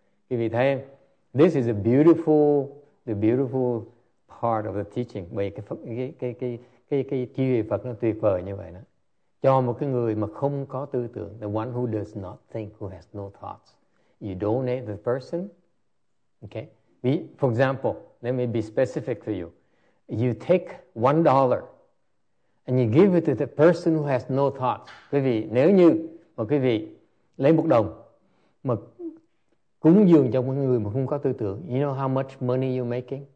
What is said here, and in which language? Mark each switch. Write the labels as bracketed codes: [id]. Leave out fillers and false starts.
[vi] Quý vị thấy, [en] this is the beautiful part of the teaching. [vi] Bởi cái trí huệ Phật nó tuyệt vời như vậy đó. Cho một cái người mà không có tư tưởng, [en] the one who does not think, who has no thoughts, you donate the person. Okay. For example, let me be specific for you. You take $1. And you give it to the person who has no thoughts. [vi] Quý vị, nếu như mà quý vị lấy một đồng mà cúng dường cho một người mà không có tư tưởng, [en] you know how much money you're making?